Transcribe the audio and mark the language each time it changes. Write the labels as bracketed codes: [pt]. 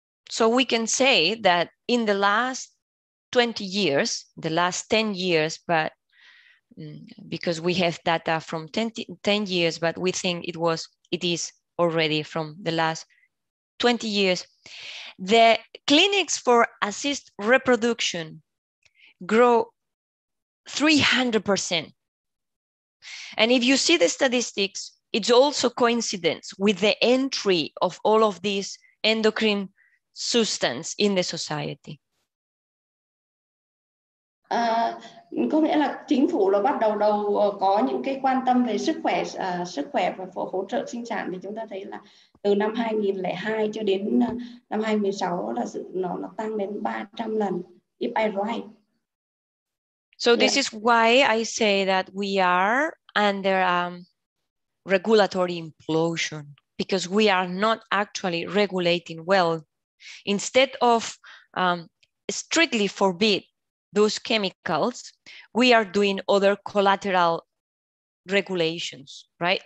[en] So we can say that in the last 20 years, the last 10 years, but because we have data from 10 years, but we think it is already from the last 20 years, the clinics for assist reproduction grow 300%. And if you see the statistics, it's also coincidence with the entry of all of these endocrine substance in the society. [vi] Có nghĩa là chính phủ là bắt đầu có những cái quan tâm về sức khỏe và hỗ trợ sinh sản, thì chúng ta thấy là từ năm 2002 cho đến năm 2016 là nó tăng đến 300 lần, [en] if I write. So this is why I say that we are under regulatory implosion, because we are not actually regulating well. Instead of strictly forbid those chemicals, we are doing other collateral regulations, right?